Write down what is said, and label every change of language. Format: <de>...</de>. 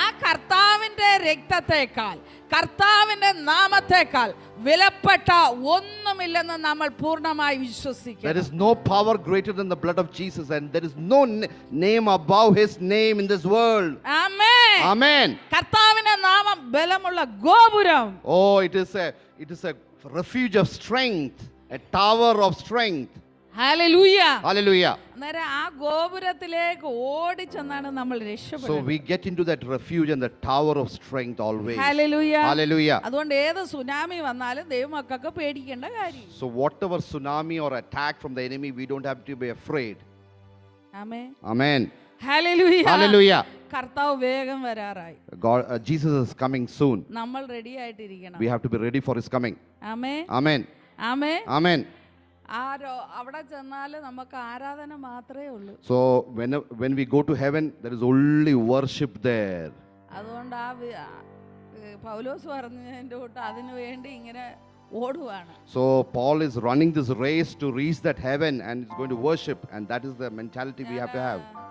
<ml>ആ കർത്താവിന്റെ രക്തത്തേക്കാൾ, കർത്താവിന്റെ നാമത്തേക്കാൾ വിലപ്പെട്ട ഒന്നുമില്ലെന്ന് നമ്മൾ പൂർണ്ണമായി വിശ്വസിക്കുന്നു.</ml> <en>There is no power greater than the blood of Jesus and there is no name above his name in this world. Amen. Amen.</en> <ml>കർത്താവിന്റെ നാമം ബലമുള്ള ഗോപുരം.</ml> <en>Oh, it is a refuge of strength, a tower of strength. Hallelujah. Hallelujah.</en> <ml>നേരെ ആ ഗോപുരത്തിലേക്ക് ഓടിച്ചെന്നാണ് നമ്മൾ രക്ഷപ്പെടുന്നത്.</ml> <en>So we get into that refuge and the tower of strength always. Hallelujah. Hallelujah.</en> <ml>അതുകൊണ്ട് ഏത് tsunami വന്നാലും ദൈവമക്കൾക്ക് പേടിക്കേണ്ട കാര്യം.</ml> <en>So whatever tsunami or attack from the enemy, we don't have to be afraid. Amen. Amen. Hallelujah. Hallelujah.</en> <ml>കർത്താവ് വേഗം വരാറായി.</ml> <en>God Jesus is coming soon.</en> <ml>നമ്മൾ ready ആയിട്ടിരിക്കണം.</ml> <en>We have to be ready for his coming. Amen. Amen. Amen. Amen.</en> <ml>ആരോ അവിടെ ചെന്നാലും നമുക്ക് ആരാധന മാത്രമേ ഉള്ളൂ.</ml> <en>So when we go to heaven, there is only worship there.</en> <ml>അതുകൊണ്ട് ആ പൗലോസ് പറഞ്ഞതിന്റെ കൂട്ട് അതിനുവേണ്ടി ഇങ്ങനെ ഓടുവാണ്.</ml> <en>So Paul is running this race to reach that heaven and is going to worship, and that is the mentality we have to have.</en>